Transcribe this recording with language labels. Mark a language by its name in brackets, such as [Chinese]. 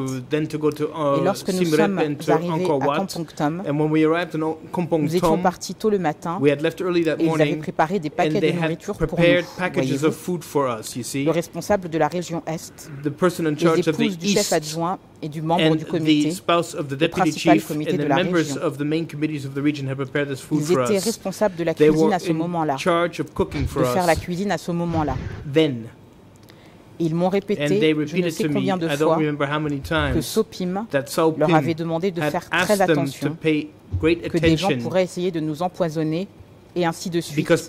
[French] Et lorsque nous sommes arrivés à Kampong Tom, nous étions partis tôt le matin et ils avaient préparé des paquets de nourriture pour nous. [English] Of food for us, you see. [French] Le responsable de la région Est, les épouses du chef adjoint et du membre du comité, [English] the spouse of the deputy chief and the members of the main committees of the region have prepared this food for us. [French] Ils étaient responsables de la cuisine à ce moment-là. [English] They were in charge of [French] de faire la cuisine à ce moment-là. [English] Then. [French] Ils m'ont répété, je ne sais combien de fois, que Sopim leur avait demandé de faire très attention, que des gens pourraient essayer de nous empoisonner, et ainsi de suite.